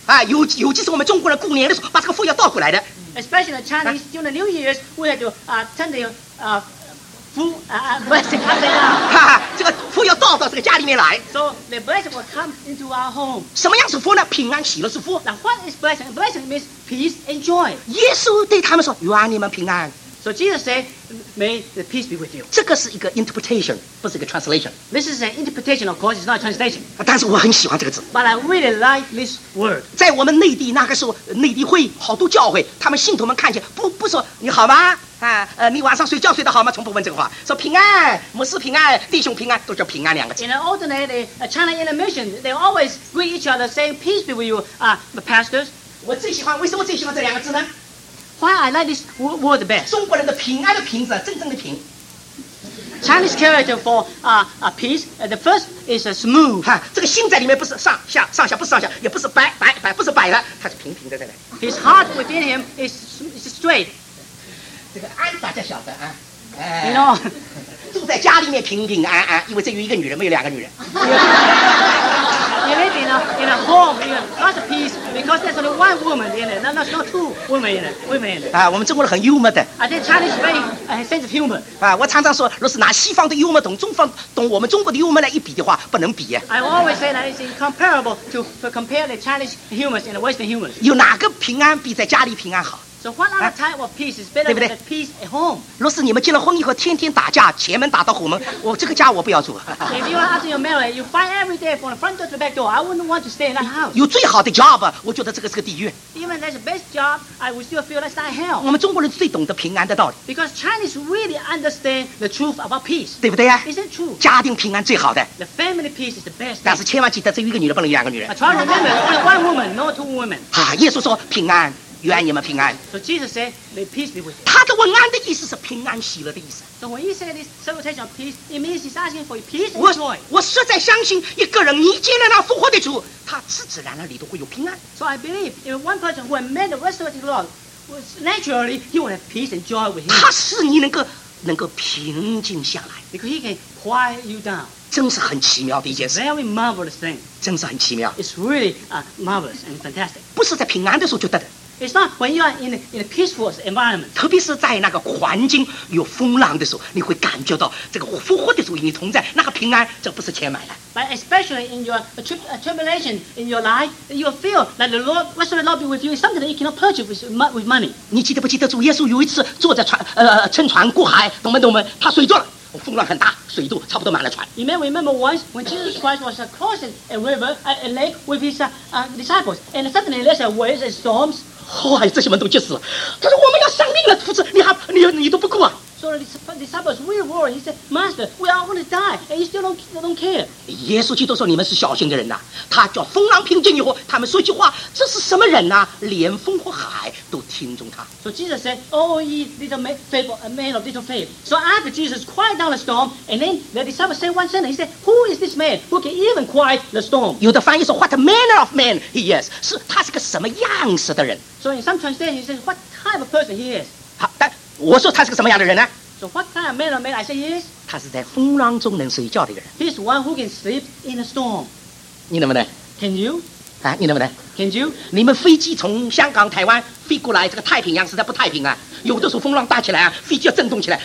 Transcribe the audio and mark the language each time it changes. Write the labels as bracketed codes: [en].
[zh] 啊，尤其是我们中国人过年的时候，把这个福要倒过来的。 [en] Especially the Chinese during the New Year's, we have to turn the blessing upside down. [zh] 哈哈，这个福要到这个家里面来。 [en] So the blessing will come into our home. [zh] 什么样是福呢？平安喜乐是福。 [en] Now what is blessing? Blessing means peace and joy. [zh] 耶稣对他们说：“愿你们平安。” [en] So Jesus said, "May the peace be with you." [zh] 这个是一个 interpretation， 不是一个 translation. [en] This is an interpretation, of course, it's not a translation. [zh] 但是我很喜欢这个字。 [en] But I really like this word. [zh] 在我们内地那个时候，内地会好多教会，他们信徒们看见不说你好吗？你晚上睡觉睡得好吗？从不问这个话，说平安，牧师平安，弟兄平安，都叫平安两个字。 [en] In an ordinary China in a mission, they always greet each other saying, "Peace be with you, the pastors." [zh] 为什么最喜欢这两个字呢？ [en] Why I like this word the best? [zh] 中国人的平安的平字，真正的平。 [en] Chinese character for peace, the first is a smooth. [zh] 哈，这个心在里面不是上下上下，不是上下，也不是摆，不是摆了，它是平平的在那。 [en] His heart within him is straight. [zh] 这个安大家晓得啊？ [en] You know, [zh] 住在家里面平平安安，因为只有一个女人，没有两个女人。 [en] You live in a home, lots of peace, because there's only one woman in it. No, not two women in it. [zh] 我们中国人很幽默的。 [en] I think Chinese very sense of humor. [zh] 我常常说，若是拿西方的幽默懂中方懂我们中国的幽默来一比的话，不能比。 [en] I always say that it's incomparable to compare the Chinese humors and the Western humors. [zh] 有哪个平安比在家里平安好？ [en] So what other type of peace is better than the peace at home? [zh] 若是你们结了婚以后天天打架，前门打到后门，我这个家我不要住。 [en] If you are after your marriage, you fight every day from the front door to the back door. I wouldn't want to stay in that house. [zh] 有最好的 job， 我觉得这个是个地狱。 [en] Even that's the best job, I would still feel that's not hell. [zh] 我们中国人最懂得平安的道理。 [en] Because Chinese really understand the truth about peace. [zh] 对不对呀？ [en] Isn't it true? [zh] 家庭平安最好的。 [en] The family peace is the best. [zh] 但是千万记得，只有一个女人，不能有两个女人。 [en] I try to remember, only one woman, no two women. [zh] 耶稣说平安。愿你们平安。 [en] So Jesus said, "May peace be with you." [zh] 他的问安的意思是平安喜乐的意思。 [en] So when he said this salutation of peace, it means he's asking for peace and joy. [zh] 我实在相信一个人，你见了那复活的主，他自然里头会有平安。 [en] So I believe if one person who had met the resurrected Lord was naturally he would have peace and joy with him. [zh] 他使你能够平静下来。 [en] Because he can quiet you down. [zh] 真是很奇妙的一件事。 [en] Very marvelous thing. [zh] 真是很奇妙。 [en] It's really marvelous and fantastic. [zh] 不是在平安的时候就得的。 [en] It's not when you are in a peaceful environment. [zh] 特别是在那个环境有风浪的时候，你会感觉到这个复活的主与你同在，那个平安，这不是钱买的。 [en] But especially in your tribulation in your life, you feel that the Lord, what should the Lord be with you? It's something that you cannot purchase with money. [zh] 你记得不记得主耶稣有一次坐在乘船过海，懂吗？他睡着了，风浪很大，水都差不多满了船。 [en] You may remember once when Jesus Christ was crossing a river, a lake with his disciples, and suddenly there's a waves and storms. [zh] 这些门徒就死了，他说我们要丧命了，夫子，你都不顾啊。 [en] So the disciples were worried. He said, "Master, we are going to die, and you still don't care." [zh] 耶稣基督说你们是小心的人呐、他叫风浪平静以后，他们说句话，这是什么人呐、连风和海都听从他。 [en] So Jesus said, "Oh, ye little man of little faith." So after Jesus quieted down the storm, and then the disciples said one sentence. He said, "Who is this man who can even quiet the storm?" [zh] 有的翻译说 [en] "What manner of man he is?" [zh] 是他是个什么样式的人 [en] ？So in some translation, he says, "What type of person he is?" [zh] 我说他是个什么样的人呢 [en] ？So what kind of man or man I say is? [zh] 他是在风浪中能睡觉的一个人。 [en] He's one who can sleep in a storm. [zh] 你能不能 [en] ？Can you? [zh] 你能不能 [en] ？Can you? [zh] 你们飞机从香港、台湾飞过来，这个太平洋实在不太平啊！有的时候风浪大起来啊，飞机要震动起来。